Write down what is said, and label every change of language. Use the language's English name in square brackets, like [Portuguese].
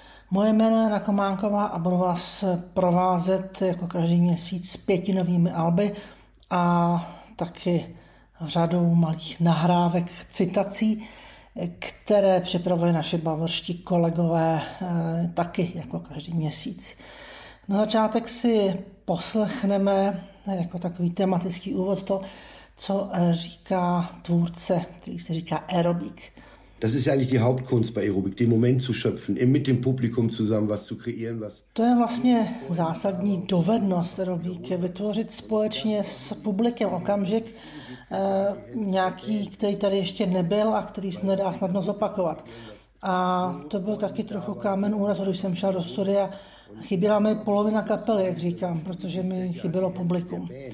[Czech] Moje jméno je Rakománková a budu vás provázet jako každý měsíc 5 novými alby a taky řadou malých nahrávek, citací, které připravuje naše bavorští kolegové taky jako každý měsíc. Na začátek si poslechneme jako takový tematický úvod to, co říká tvůrce, který se říká aerobik. [German] Das ist eigentlich die Hauptkunst bei Aerobic, den Moment zu schöpfen, mit dem Publikum zusammen was zu kreieren, was. [Czech] To je vlastně zásadní dovednost aerobik, vytvořit společně s publikem okamžik nějaký, který tady ještě nebyl a který se nedá snadno zopakovat. A to byl taky trochu kámen úrazu, když jsem šel do studia. Chyběla mi polovina kapely, jak říkám, protože mi chybělo publikum.